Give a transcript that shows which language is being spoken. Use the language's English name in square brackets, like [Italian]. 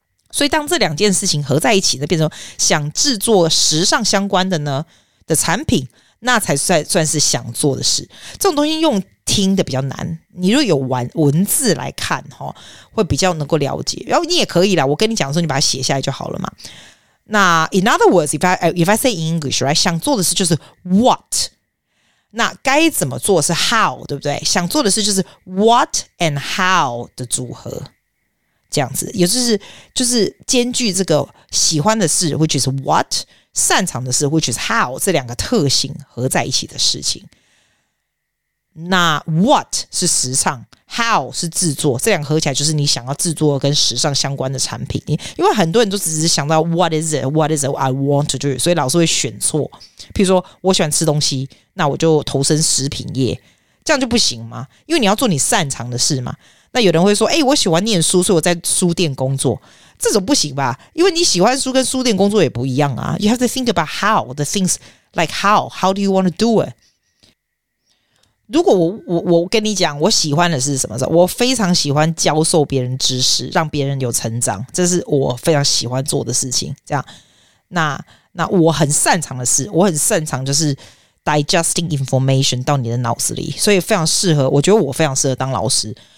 [Chinese] 所以当这两件事情合在一起，那变成想制作时尚相关的呢的产品，那才算是想做的事。这种东西用听的比较难，你如果有文字来看会比较能够了解，然后你也可以啦，我跟你讲的时候你把它写下来就好了嘛。那 in other words if I say in English right，想做的事就是 what， 那该怎么做是 how， 对不对？想做的事就是 what and how 的组合，这样子，也就是兼具这个喜欢的事 which is what，擅长的事 which is how，这两个特性合在一起的事情。那 what 是时尚， how 是制作，这两个合起来就是你想要制作跟时尚相关的产品。 [English] 因为很多人都只是想到 what is it， what is it I want to do，所以老师会选错。 [Chinese] 譬如说我喜欢吃东西，那我就投身食品业，这样就不行吗？因为你要做你擅长的事嘛。那有人会说诶，我喜欢念书，所以我在书店工作，这种不行吧，因为你喜欢书跟书店工作也不一样啊。 [English] You have to think about how the things like how do you want to do it。 [Chinese] 如果我跟你讲我喜欢的是什么，我非常喜欢教授别人知识，让别人有成长，这是我非常喜欢做的事情这样。那我很擅长的是，我很擅长就是 digesting information 到你的脑子里，所以非常适合，我觉得我非常适合当老师。